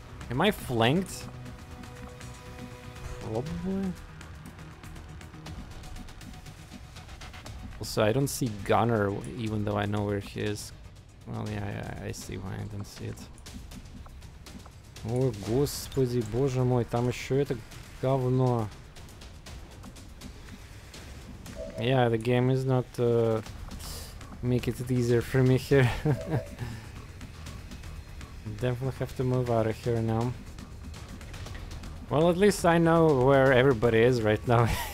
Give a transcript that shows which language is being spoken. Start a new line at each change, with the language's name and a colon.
English: Am I flanked? Probably. Also, I don't see Gunner, even though I know where he is. Well, yeah, I see why I don't see it.
Russian: Oh, господи, боже мой, там еще это говно.
English: Yeah, the game is not make it easier for me here. Definitely have to move out of here now. Well, at least I know where everybody is right now.